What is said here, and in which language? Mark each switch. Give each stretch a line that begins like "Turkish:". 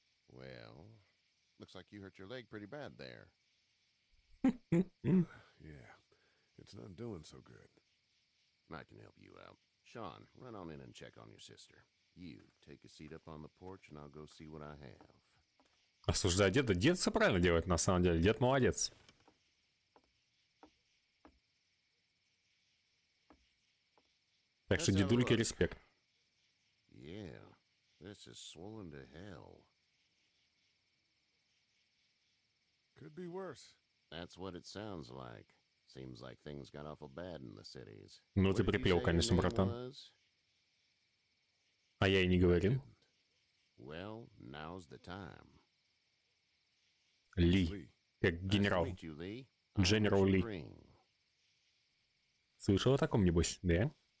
English: Well, looks like you hurt your leg pretty bad there. Yeah, it's not doing so good. I can help you out. Sean, run on in and check on your sister. You take a seat up on the porch and I'll go see what I have.
Russian: Осуждаю деда. Дед все правильно делает, на самом деле. Дед молодец. Так что дедульке респект.
English: Yeah, this is swollen to hell. Could be worse. That's what it sounds like. Seems like things got awful bad in the cities.
Russian: Ну ты припел, конечно, братан. А я и не говорил.
English: Well, now's the time.
Russian: Ли, как генерал. Дженерал Ли. Слышал о таком, небось, да?